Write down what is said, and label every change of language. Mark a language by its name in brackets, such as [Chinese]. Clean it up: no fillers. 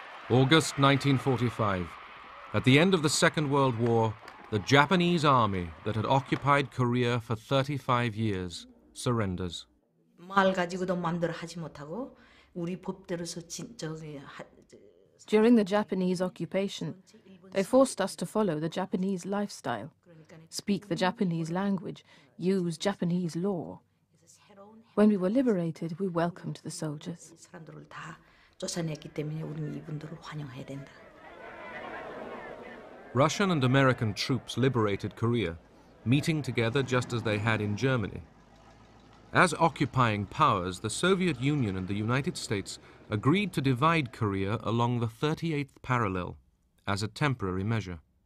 [English] August 1945. At the end of the Second World War, the Japanese army that had occupied Korea for 35 years surrenders. [Korean] 말 가지고도 마음대로 하지 못하고 우리 법대로서 저기 [English] During the Japanese occupation, they forced us to follow the Japanese lifestyle, speak the Japanese language, use Japanese law. When we were liberated, we welcomed the soldiers. [Korean] 쫓아냈기 때문에 우리 이분들을 환영해야 된다. [English] Russian and American troops liberated Korea, meeting together just as they had in Germany. As occupying powers, the Soviet Union and the United States agreed to divide Korea along the 38th parallel as a temporary measure.